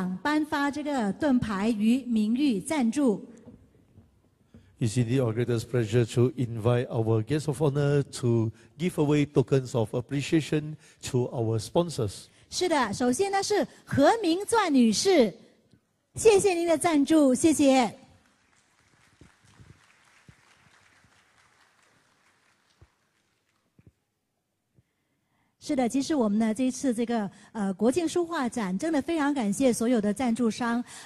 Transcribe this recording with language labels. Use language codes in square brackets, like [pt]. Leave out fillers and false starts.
[zh] 请部长留步。下来呢，我们就邀请傅海燕部长颁发这个盾牌与名誉赞助。 [en] It's indeed our greatest pleasure to invite our guest of honor to give away tokens of appreciation to our sponsors. [zh] 是的，首先呢是何明钻女士，谢谢您的赞助，谢谢。是的，其实我们呢这一次这个国庆书画展，真的非常感谢所有的赞助商。